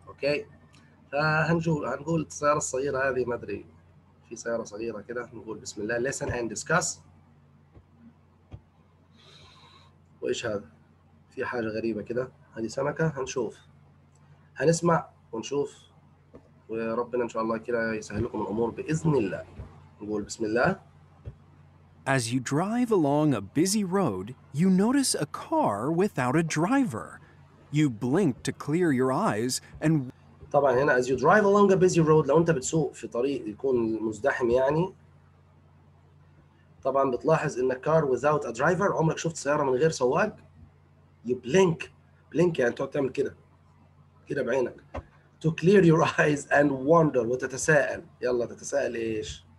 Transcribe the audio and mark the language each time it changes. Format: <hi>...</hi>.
<ar>اوكي هنقول السيارة الصغيرة هذه، ما ادري في سيارة صغيرة كده، نقول بسم الله</ar> <en>listen and discuss.</en> <ar>وإيش هذا؟ في حاجة غريبة كده، هذه سمكة، هنشوف هنسمع ونشوف وربنا إن شاء الله كده يسهل لكم الأمور بإذن الله. نقول بسم الله.</ar> <en>As you drive along a busy road, you notice a car without a driver. You blink to clear your eyes and</en> <ar>طبعا هنا</ar> <en>as you drive along a busy road،</en> <ar>لو أنت بتسوق في طريق يكون مزدحم يعني طبعا بتلاحظ ان كار</ar> <en>without a driver،</en> <ar>عمرك شفت سيارة من غير سواق؟</ar> <en>you blink blink</en> <ar>يعني تقعد تعمل كده كده بعينك</ar> <en>to clear your eyes and wonder،</en> <ar>وتتساءل، يلا تتساءل ايش؟</ar>